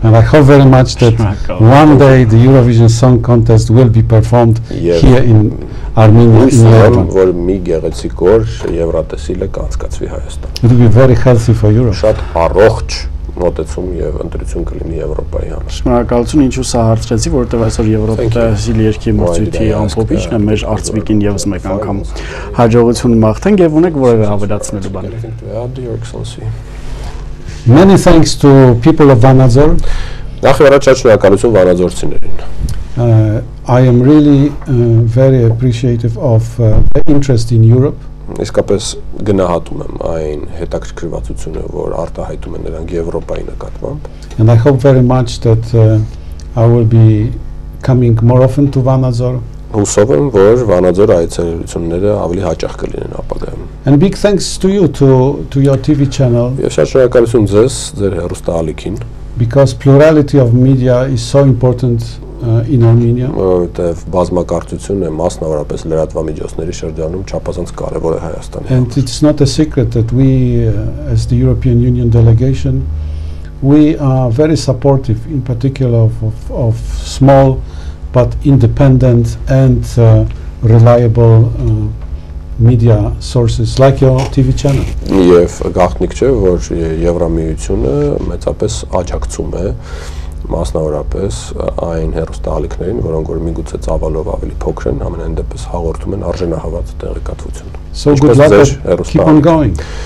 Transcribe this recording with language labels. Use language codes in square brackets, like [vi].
[en] And I hope very much that one day the Eurovision Song Contest will be performed here in Armenia in Yerevan. [hy] Որ մի գեղեցիկ օր Եվրատեսիլը կանցկացվի Հայաստան։ [en] It will be very healthy for Europe. [hy] Շատ առողջ մոտեցում եւ ընտրություն կլինի Եվրոպայի համար։ Շնորհակալություն, ինչու սա հարցրեցի, որովհետեւ այսօր Եվրոպայի երկրի մրցույթի ամփոփիչն է մեր արծմիկին եւս մեկ անգամ հաջողություն մաղթենք եւ ունենք որևէ ավելացնելու բան։ [en] Many thanks to people of Vanadzor. [hy] Նախ վերաճաշակալություն վանաձորցիներին. [en] I am really very appreciative of the interest in Europe. [hy] Իսկապես գնահատում եմ այն հետաքրքրվածությունը, որ արտահայտում են նրանք Եվրոպայի նկատմամբ. [en] And I hope very much that I will be coming more often to Vanadzor. [hy] Հուսով եմ, որ Վանաձոր այցելությունները ավելի հաճախ կլինեն ապագայում։ [en] And big thanks to you to your TV channel. [hy] Ես շատ շնորհակալություն ձեզ, ձեր հեռուստաալիքին։ [en] Because plurality of media is so important in Armenia. [hy] Որտեղ բազմակարծությունը մասնավորապես լրատվամիջոցների շրջանում չափազանց կարևոր է Հայաստանի [en] համար։ And it's not a secret that we as the European Union delegation we are very supportive in particular of small but independent and reliable media sources like your TV channel. [hy] Եվ գաղտնիք չէ, որ Եվրամիությունը մեծապես աջակցում է մասնավորապես այն հեռուստաալիքներին, որոնք որ միգուցե ցավալով ավելի փոքր են, ամենայն դեպս հաղորդում են արժանահավատ տեղեկատվություն։ [en] So good luck. Keep on going.